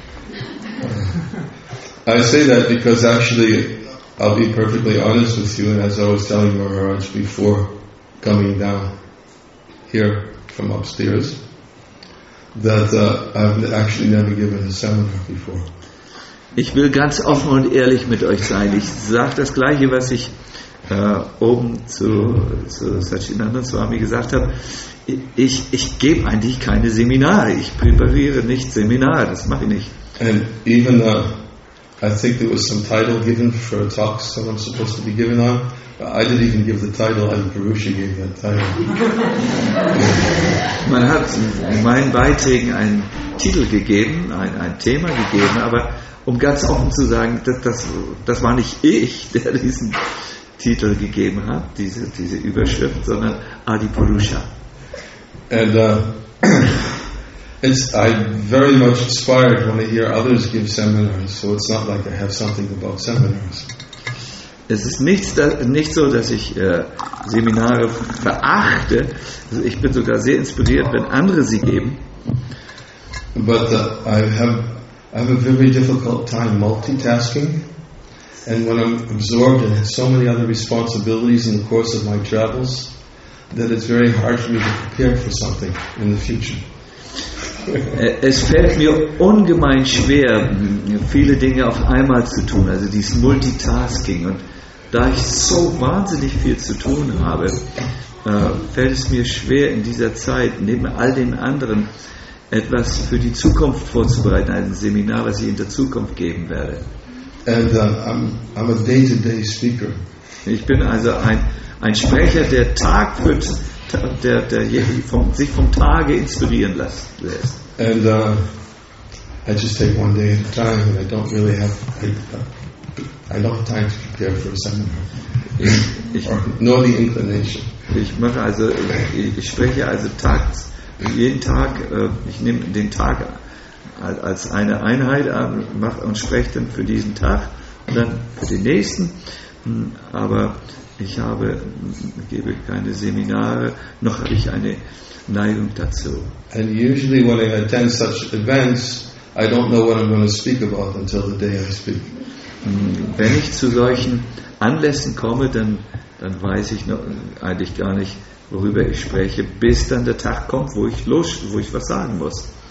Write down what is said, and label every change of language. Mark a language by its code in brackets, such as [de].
[en] I say that because actually I'll be perfectly honest with you, and as I was telling Maharaj before coming down here from upstairs, that I've actually never given a seminar before. [de] Ich will ganz offen und ehrlich mit euch sein. Ich sage das Gleiche, was ich oben zu Sachinanda Swami gesagt habe. Ich gebe eigentlich keine Seminare. Ich präpariere nicht Seminare. Das mache ich nicht. [en] And even I think there was some title given for a talk someone's supposed to be given on. I didn't even give the title, and Purusha gave that title. [de] Man hat in meinen Beiträgen einen Titel gegeben, ein Thema gegeben, aber um ganz offen zu sagen, das war nicht ich, der diesen Titel gegeben hat, diese Überschrift, sondern Adi Purusha. [en] And I very much inspired when I hear others give seminars, so it's not like I have something about seminars. [de] Es ist nicht so, dass ich Seminare verachte. Also ich bin sogar sehr inspiriert, wenn andere sie geben. [en] But I have a very difficult time multitasking, and when I'm absorbed and have so many other responsibilities in the course of my travels, that it's very hard for me to prepare for something in the future. [de] Es fällt mir ungemein schwer, viele Dinge auf einmal zu tun. Also dieses Multitasking, und da ich so wahnsinnig viel zu tun habe, fällt es mir schwer, in dieser Zeit neben all den anderen etwas für die Zukunft vorzubereiten, ein Seminar, was ich in der Zukunft geben werde. [en] And I'm a day-to-day speaker. [de] Ich bin also ein Sprecher, der Tag für Tag, der sich vom Tage inspirieren lässt. [en] And I just take one day at a time, and I don't really have. I don't have time to prepare for a seminar. Nor the inclination. [de] Ich spreche also jeden Tag, ich nehme den Tag als eine Einheit an, mache und spreche dann für diesen Tag und dann für den nächsten. Aber ich gebe keine Seminare, noch habe ich eine Neigung dazu. [en] And usually when I attend such events, I don't know what I'm going to speak about until the day I speak. [de] Wenn ich zu solchen Anlässen komme, dann weiß ich noch eigentlich gar nicht, worüber ich spreche, bis dann der Tag kommt, wo ich was sagen muss.